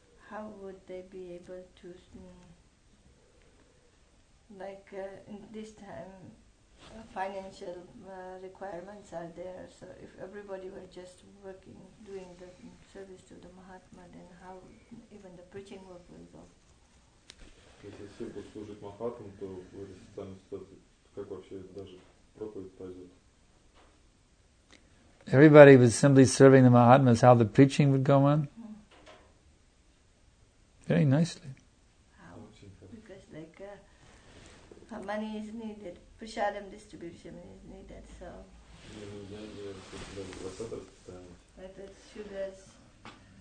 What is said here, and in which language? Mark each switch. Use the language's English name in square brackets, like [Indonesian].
[English] how would they be able to, in this time, financial requirements are there, so if everybody were just working, doing the service to the Mahatma, then how even the preaching work will go? [Russian] Если все будут служить Махатмам, то в этой социальной ситуации как вообще даже проповедь пойдет? [English] Everybody was simply serving the Mahatmas, how the preaching would go on? Very nicely. How? Because money is needed, prasadam distribution is needed, so.